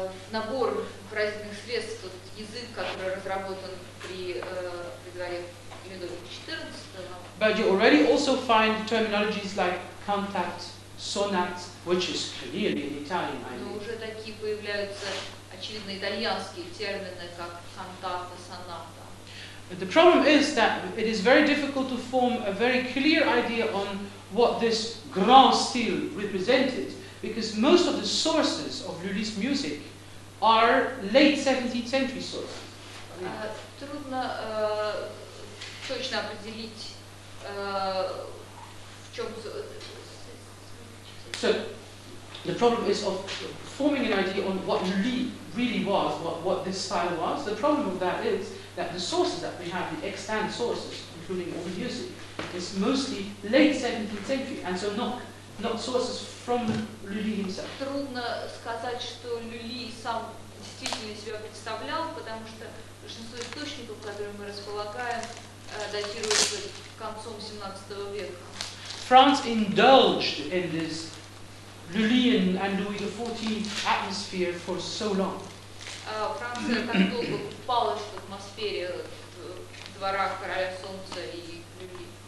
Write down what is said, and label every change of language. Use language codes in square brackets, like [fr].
[ru] Набор фразных средств, тот язык, который разработан при дворе Людовика XIV. [en] But you already also find terminologies like cantat, sonat, which is clearly in Italian. [ru] Но уже такие появляются очевидно итальянские термины, как cantata, sonata. [en] The problem is that it is very difficult to form a very clear idea on what this grand style represented. Because most of the sources of Lully's music are late 17th century sources. [ru] Трудно точно определить, в чем. [en] So the problem is of forming an idea on what Lully really was, what this style was. The problem of that is that the sources that we have, the extant sources, including all the music, is mostly late 17th century, and so not sources from Lully himself. [ru] Трудно сказать, что Люли сам действительно себя представлял, потому что большинство источников, которые мы располагаем, датируются концом 17 века. [en] France indulged in this Lullian and Louis XIV atmosphere for so long. [ru] Франция так долго купалась в атмосфере двора короля солнца и Люли.